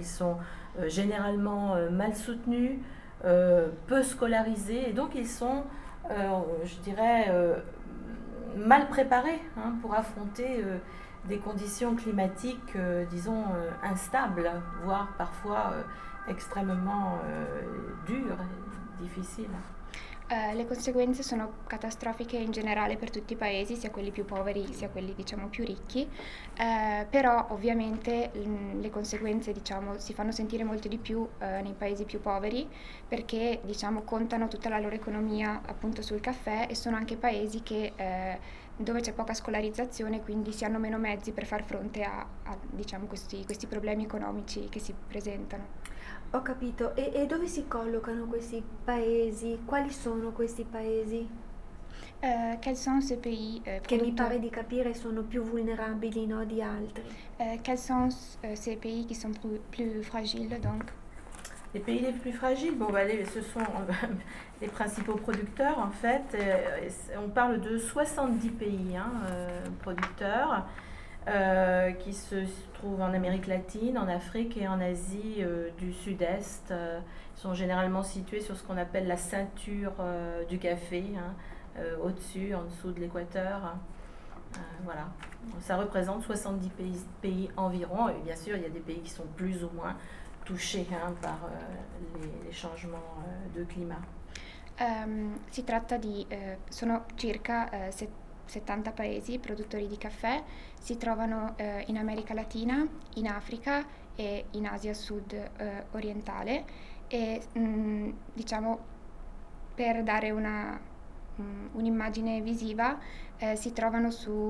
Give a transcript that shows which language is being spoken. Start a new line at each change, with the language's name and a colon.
French: Ils sont généralement mal soutenus, peu scolarisés, et donc ils sont, je dirais, mal préparés hein, pour affronter des conditions climatiques, disons, instables, voire parfois extrêmement dur, difficile.
Italian: Le conseguenze sono catastrofiche in generale per tutti i paesi, sia quelli più poveri sia quelli diciamo più ricchi, però ovviamente le conseguenze diciamo si fanno sentire molto di più nei paesi più poveri perché diciamo contano tutta la loro economia appunto sul caffè e sono anche paesi che dove c'è poca scolarizzazione, quindi si hanno meno mezzi per far fronte a diciamo questi problemi economici che si presentano. Ho capito. E dove si collocano questi paesi? Quali sono questi paesi? Che
French: Quels sont ces pays
Italian: mi pare
French: producteurs?
Italian: di capire sono più vulnerabili, no, di altri.
French: Quels sont ces pays qui sont plus fragiles, donc? Les pays les plus fragiles, bon, bah, ce sont les principaux producteurs en fait. On parle de 70 pays hein, producteurs qui se trouvent en Amérique latine, en Afrique et en Asie du Sud-Est. Ils sont généralement situés sur ce qu'on appelle la ceinture du café. Hein. Au-dessus, en dessous de l'équateur. Voilà. Ça représente 70 pays environ. Et bien sûr, il y a des pays qui sont plus ou moins touchés hein, par les changements de climat.
Italian: Si tratta di, sono circa 70 paesi produttori di caffè, si trovano in America Latina, in Africa e in Asia Sud orientale e diciamo per dare un'immagine visiva si trovano su